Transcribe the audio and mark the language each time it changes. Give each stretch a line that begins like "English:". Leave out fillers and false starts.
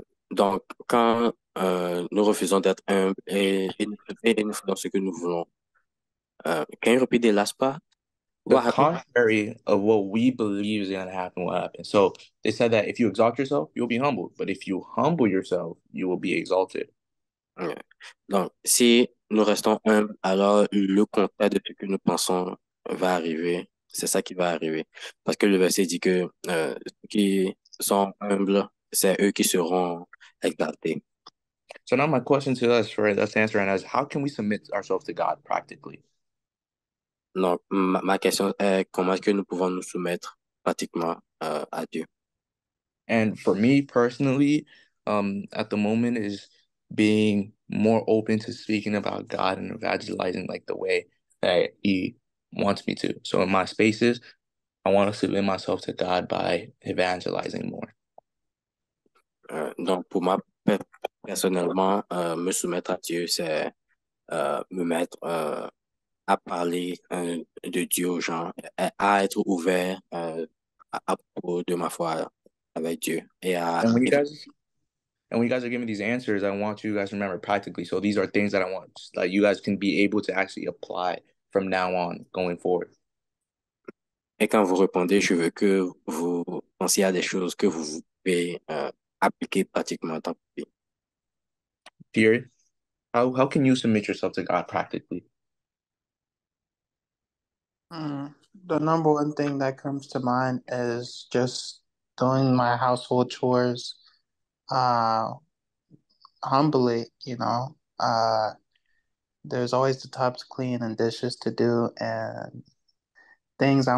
French: Donc, quand nous refusons d'être humbles et nous faisons ce que nous voulons,
English: can you repeat the last part? The contrary of what we believe is going to happen will happen. So they said that if you exalt yourself, you'll be humbled. But if you humble yourself, you will be exalted.
French: Donc, si nous restons humbles, alors le contraire de ce que nous pensons va arriver. C'est ça qui va arriver. Parce que le verset dit que ceux qui sont humbles, c'est eux qui seront exaltés.
English: So now my question to us for us to answer right now is how can we submit ourselves to God practically?
French: Donc, ma question est comment est-ce que nous pouvons nous soumettre pratiquement à Dieu?
English: And for me personally, at the moment is being more open to speaking about God and evangelizing like the way that he wants me to. So in my spaces, I want to submit myself to God by evangelizing more.
French: Donc pour moi personnellement, me soumettre à Dieu, c'est me mettre à parler de Dieu aux gens, à être ouvert à propos de ma foi avec Dieu et à.
English: And when you guys are giving me these answers, I want you guys to remember practically. So these are things that I want that you guys can be able to actually apply from now on going forward.
French: Et quand vous répondez, je veux que vous pensiez à des choses que vous pouvez appliquer pratiquement en tant que vie.
English: Thierry, how can you submit yourself to God practically? The number one thing that comes to mind is just doing my household chores. Humbly, you know, there's always the tubs to clean and dishes to do and things.